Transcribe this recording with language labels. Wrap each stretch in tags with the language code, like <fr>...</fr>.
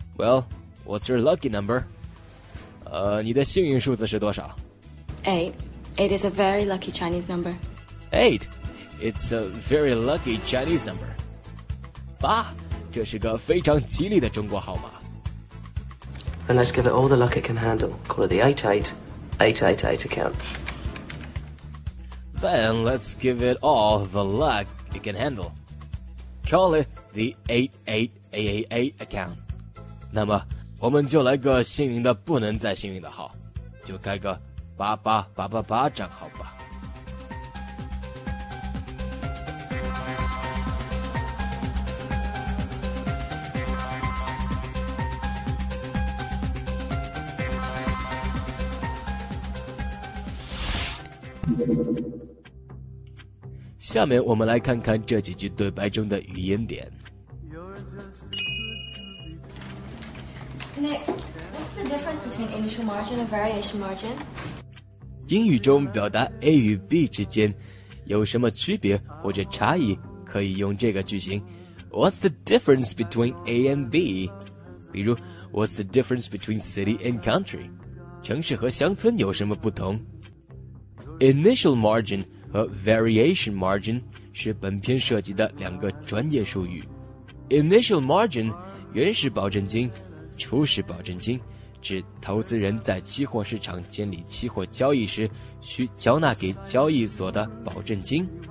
<en>Well, what's your lucky number?</en> <zh>你的幸运数字是多少？</zh> <en>8. 8 is a very lucky Chinese number. 8. It's a very lucky Chinese number. 8.</en> <zh>这是个非常吉利的中国号码。</zh> <en>And let's give it all the luck it can handle. Call it the 888888 account. Then let's give it all the luck it can handle. Call it the 888888 account.</en> <zh>那么我们就来个幸运的不能再幸运的号，就开个88888账号吧。下面我们来看看这几句对白中的语言点。</zh> <en>Nick, what's the difference between initial margin and variation margin?</en> <zh>英语中表达 A 与 B 之间有什么区别或者差异，可以用这个句型</zh> <en>What's the difference between A and B? 比如 What's the difference between city and country?</en> <zh>城市和乡村有什么不同？ Initial margin 和 variation margin 是本篇涉及的两个专业术语。 Initial margin 原始保证金、初始保证金，指投资人在期货市场建立期货交易时需交纳给交易所的保证金。</zh>